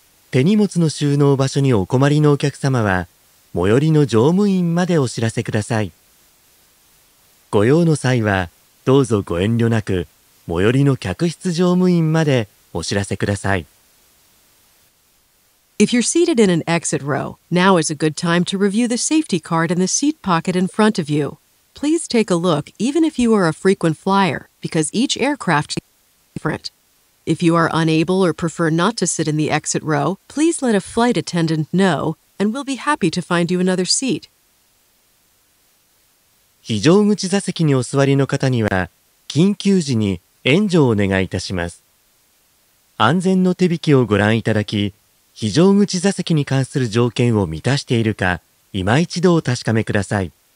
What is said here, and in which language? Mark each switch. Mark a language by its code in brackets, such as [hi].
[ja] 手荷物の収納場所にお困りのお客様は、最寄りの乗務員までお知らせください。ご用の際は、どうぞご遠慮なく、最寄りの客室乗務員までお知らせください。 [en] If you're seated in an exit row, now is a good time to review the safety card in the seat pocket in front of you. Please take a look even if you are a frequent flyer, because each aircraft is different. If you are unable or prefer not to sit in the exit row, please let a flight attendant know, and we'll be happy to find you another seat. [ja] 非常口座席にお座りの方には、緊急時に援助をお願いいたします。安全の手引きをご覧いただき、非常口座席に関する条件を満たしているか、今一度お確かめください。